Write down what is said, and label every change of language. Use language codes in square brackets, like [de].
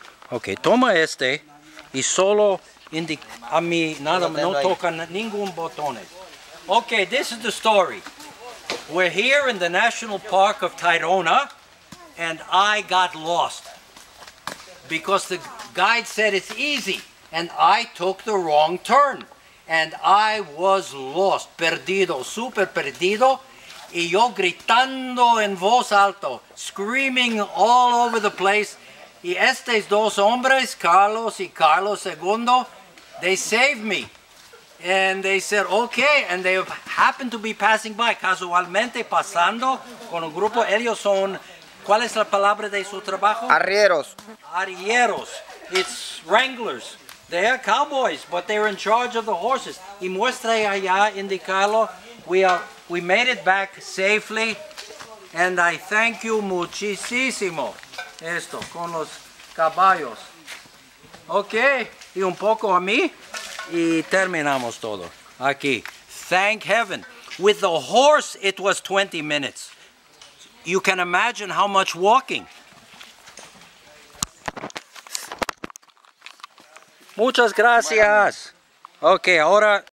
[es] Ok, toma este y solo indica a mí, nada, no toca ningún botón. [en] Ok, this is the story. We're here in the National Park of Tayrona, and I got lost because the guide said it's easy, and I took the wrong turn, and I was lost, [es] perdido, super perdido, y yo gritando en voz alto, [en] screaming all over the place, [es] y estos dos hombres, Carlos y Carlos II, [en] they saved me. And they said, okay, and they happened to be passing by, [es] casualmente pasando con un grupo. Ellos son, ¿cuál es la palabra de su trabajo? Arrieros. [en] Arrieros. It's wranglers. They are cowboys, but they're in charge of the horses. [es] Y muestra allá, indicarlo. [en] We made it back safely, and I thank you muchísimo. [es] Esto, con los caballos. Okay, y un poco a mí. Y terminamos todo aquí. [en] Thank heaven. With the horse, it was 20 minutes. You can imagine how much walking. [es] Muchas gracias. Bueno. Okay, ahora.